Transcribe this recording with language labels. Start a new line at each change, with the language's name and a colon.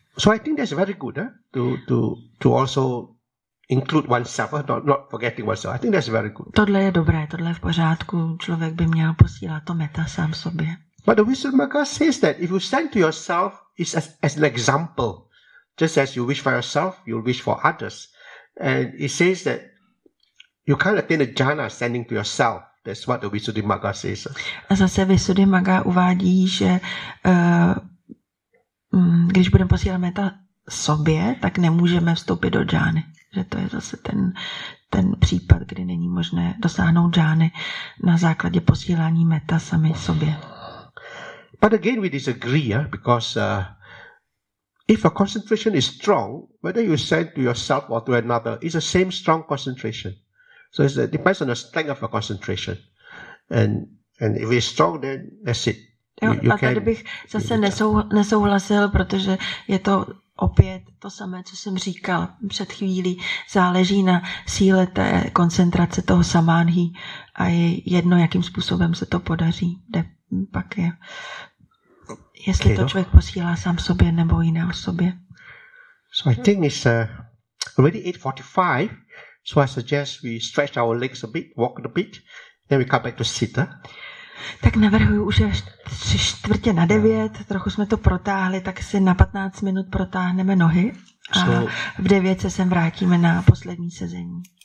English: So I think that's very good, to also include oneself, not forgetting oneself. I think that's very good.
Czech: Tohle je dobré, tohle je v pořádku. Člověk by měl posílat to meta sám sobě.
English: But the Visuddhimagga says that if you send to yourself, it's as an example. Just as you wish for yourself, you'll wish for others. And it says that you can't attain a jhana sending to yourself. That's what the Visuddhimagga says.
Czech: A zase Visuddhimagga uvádí, že když budeme posílat meta sobě, tak nemůžeme vstoupit do džány. Že to je zase ten případ, kdy není možné dosáhnout džány na základě posílání metta sami sobě.
English: But again we disagree, because if a concentration is strong, whether you send to yourself or to another, it's the same strong concentration. So it depends on the strength of a concentration. And if it's strong, then that's it.
Czech: Tady bych zase nesouhlasil, protože je to opět to samé, co jsem říkal před chvílí. Záleží na síle té koncentrace toho samánhy a je jedno, jakým způsobem se to podaří. Pak je, jestli to člověk posílá sám sobě nebo jiné osobě.
English: So I think it's already 8:45, so I suggest we stretch our legs a bit, walk a bit, then we come back to sit.
Czech: Tak navrhuji už 8:45, trochu jsme to protáhli, tak si na 15 minut protáhneme nohy a v 9 se sem vrátíme na poslední sezení.